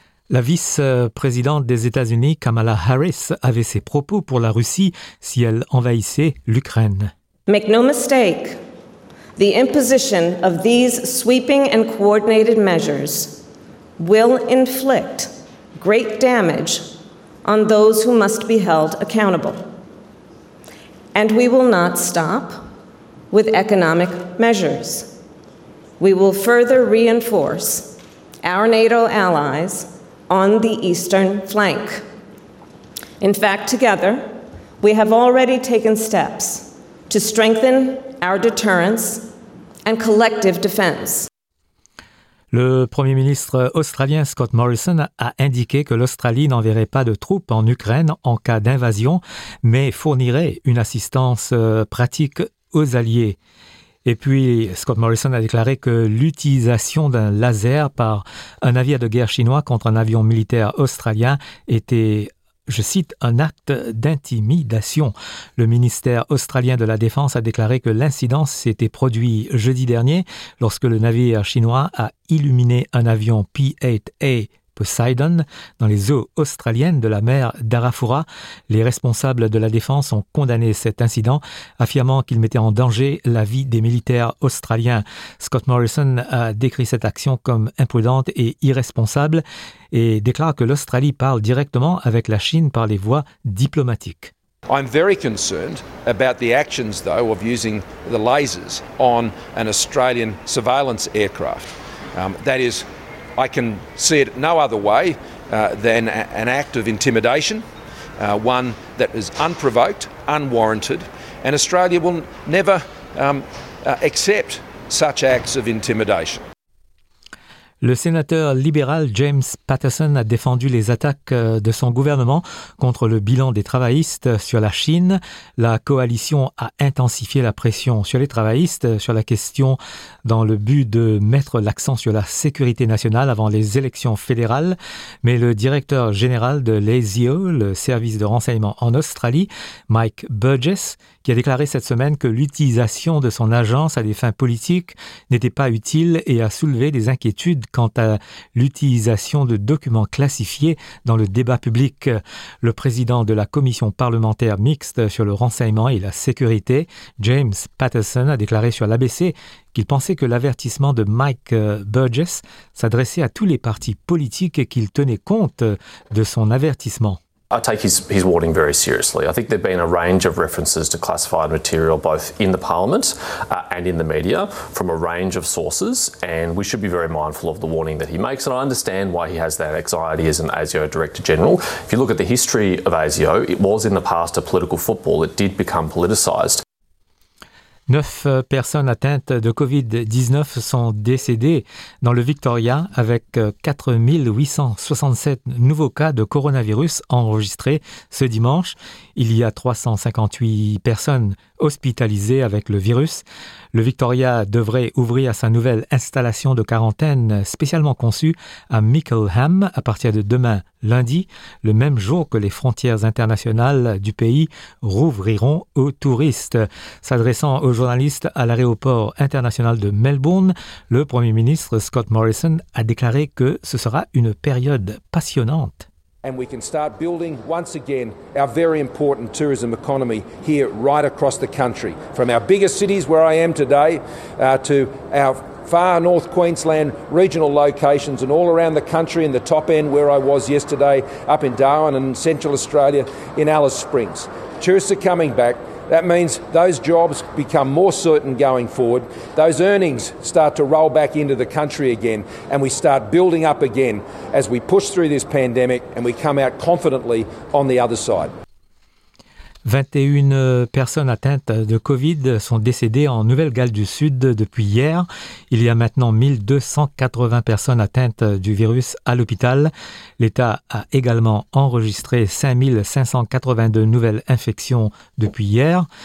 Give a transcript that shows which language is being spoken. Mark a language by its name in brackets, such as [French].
[French] La vice-présidente des États-Unis, Kamala Harris, avait ses propos pour la Russie si elle envahissait l'Ukraine. [English] Make no mistake, the imposition of these sweeping and coordinated measures will inflict great damage on those who must be held accountable. And we will not stop with economic measures. We will further reinforce our NATO allies on the eastern flank. In fact, together, we have already taken steps to strengthen our deterrence and collective defense. [French] Le Premier ministre australien Scott Morrison a indiqué que l'Australie n'enverrait pas de troupes en Ukraine en cas d'invasion, mais fournirait une assistance pratique aux alliés. Et puis, Scott Morrison a déclaré que l'utilisation d'un laser par un navire de guerre chinois contre un avion militaire australien était, je cite, « un acte d'intimidation ». Le ministère australien de la Défense a déclaré que l'incident s'était produit jeudi dernier lorsque le navire chinois a illuminé un avion P-8A Poseidon dans les eaux australiennes de la mer d'Arafura. Les responsables de la défense ont condamné cet incident, affirmant qu'il mettait en danger la vie des militaires australiens. Scott Morrison a décrit cette action comme imprudente et irresponsable et déclare que l'Australie parle directement avec la Chine par les voies diplomatiques. [English] I'm very concerned about the actions though of using the lasers on an Australian surveillance aircraft. That is, I can see it no other way than an act of intimidation, one that is unprovoked, unwarranted, and Australia will never accept such acts of intimidation. [French] Le sénateur libéral James Patterson a défendu les attaques de son gouvernement contre le bilan des travaillistes sur la Chine. La coalition a intensifié la pression sur les travaillistes sur la question dans le but de mettre l'accent sur la sécurité nationale avant les élections fédérales. Mais le directeur général de l'ASIO, le service de renseignement en Australie, Mike Burgess, qui a déclaré cette semaine que l'utilisation de son agence à des fins politiques n'était pas utile et a soulevé des inquiétudes quant à l'utilisation de documents classifiés dans le débat public. Le président de la commission parlementaire mixte sur le renseignement et la sécurité, James Patterson, a déclaré sur l'ABC qu'il pensait que l'avertissement de Mike Burgess s'adressait à tous les partis politiques et qu'il tenait compte de son avertissement. [English] I take his warning very seriously. I think there've been a range of references to classified material both in the parliament and in the media from a range of sources, and we should be very mindful of the warning that he makes. And I understand why he has that anxiety as an ASIO director general. If you look at the history of ASIO, it was in the past a political football. It did become politicized. [French] 9 personnes atteintes de COVID-19 sont décédées dans le Victoria avec 4867 nouveaux cas de coronavirus enregistrés ce dimanche. Il y a 358 personnes hospitalisées avec le virus. Le Victoria devrait ouvrir sa nouvelle installation de quarantaine spécialement conçue à Mickleham à partir de demain, lundi, le même jour que les frontières internationales du pays rouvriront aux touristes. S'adressant aux journalistes à l'aéroport international de Melbourne, le Premier ministre Scott Morrison a déclaré que ce sera une période passionnante. [English] And we can start building once again our very important tourism economy here right across the country. From our biggest cities where I am today to our far north Queensland regional locations and all around the country in the top end where I was yesterday up in Darwin and central Australia in Alice Springs. Tourists are coming back. That means those jobs become more certain going forward. Those earnings start to roll back into the country again, and we start building up again as we push through this pandemic and we come out confidently on the other side. [French] 21 personnes atteintes de COVID sont décédées en Nouvelle-Galles du Sud depuis hier. Il y a maintenant 1280 personnes atteintes du virus à l'hôpital. L'État a également enregistré 5582 nouvelles infections depuis hier.